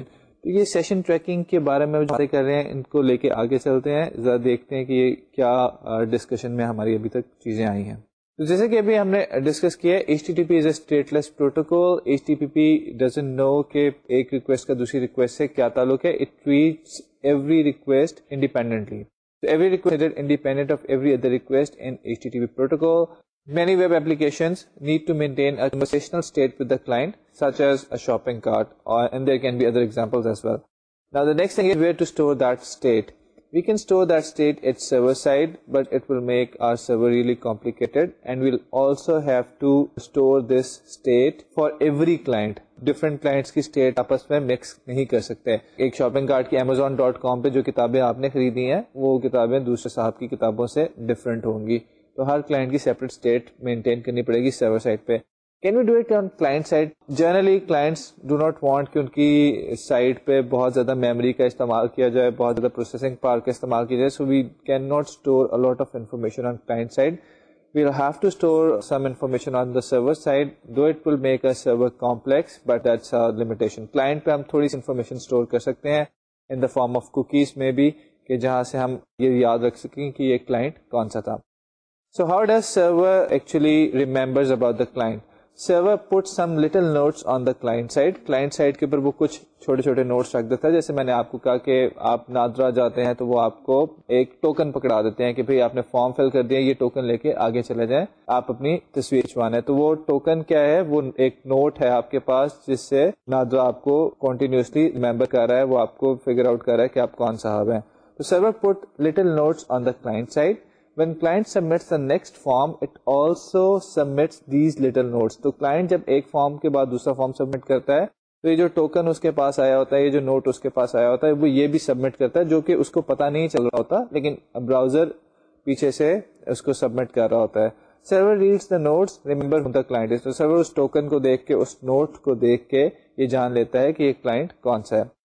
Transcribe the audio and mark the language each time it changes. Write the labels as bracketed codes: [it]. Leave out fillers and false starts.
[ur] تو یہ session tracking کے بارے میں باتیں کر رہے ہیں, ان کو لے کے آگے چلتے ہیں, ذرا دیکھتے ہیں کہ یہ کیا ڈسکشن میں ہماری ابھی تک چیزیں آئی ہیں. تو جیسے کہ ابھی ہم نے ڈسکس کیا ہے [en] H T T P is a state less protocol. H T P P doesn't know [ur] کہ ایک ریکویسٹ کا دوسری ریکویسٹ سے کیا تعلق ہے, [en] It treats every request independently. So every request is independent of every other request in HTTP protocol. Many web applications need to maintain a conversational state with the client, such as a shopping cart, and there can be other examples as well. Now the next thing is where to store that state. We can store that state at server side, but it will make our server really complicated, and we'll also have to store this state for every client. [ur] Different clients کی state آپس میں mix نہیں کر سکتے. ایک shopping cart کی Amazon dot com پہ جو کتابیں آپ نے خریدی ہیں وہ کتابیں دوسرے صاحب کی کتابوں سے ڈفرینٹ ہوں گی, تو ہر کلائنٹ کی سیپریٹ اسٹیٹ مینٹین کرنی پڑے گی سرور سائٹ پہ. [en] Can we do it on client side? Generally clients do not want [ur] کہ ان کی سائٹ پہ بہت زیادہ میموری کا استعمال کیا جائے, بہت زیادہ پروسیسنگ پاور کا استعمال کیا جائے. [en] So we can not store a lot of information on client side. We'll have to store some information on the server side, though it will make a server complex, but that's a limitation. [ur] Client پہ ہم تھوڑی سی information store کر سکتے ہیں [en] in the form of cookies [ur] میں بھی, کہ جہاں سے ہم یہ یاد رکھ سکیں کہ یہ کلائنٹ کون سا تھا. [en] So how does server actually remembers about the client? Server put some little notes on the client side. [ur] Client side کے اوپر وہ کچھ چھوٹے چھوٹے نوٹس رکھ دیتا ہے. جیسے میں نے آپ کو کہا کہ آپ نادرا جاتے ہیں تو وہ آپ کو ایک ٹوکن پکڑا دیتے ہیں کہ بھائی آپ نے فارم فل کر دیا, یہ ٹوکن لے کے آگے چلے جائیں, آپ اپنی تصویر کھچوانے. تو وہ ٹوکن کیا ہے؟ وہ ایک نوٹ ہے آپ کے پاس جس سے نادرا آپ کو کنٹینیوسلی ریمبر کر رہا ہے, وہ آپ کو فگر آؤٹ کر رہا ہے کہ آپ کون صاحب ہیں. [en] تو server put little notes on the client side. When client submits the next form, it also submits these little notes. [ur] تو client جب ایک form کے بعد دوسرا form submit کرتا ہے تو یہ جو token اس کے پاس آیا ہوتا ہے, یہ جو نوٹ اس کے پاس آیا ہوتا ہے, وہ یہ بھی submit کرتا ہے جو کہ اس کو پتا نہیں چل رہا ہوتا, لیکن براؤزر پیچھے سے اس کو سبمٹ کر رہا ہوتا ہے. [en] server reads the notes remember [ur] ہوتا کلائنٹ. تو سرور اس ٹوکن کو دیکھ کے, اس نوٹ کو دیکھ کے یہ جان لیتا ہے کہ یہ کلائنٹ کون سا ہے.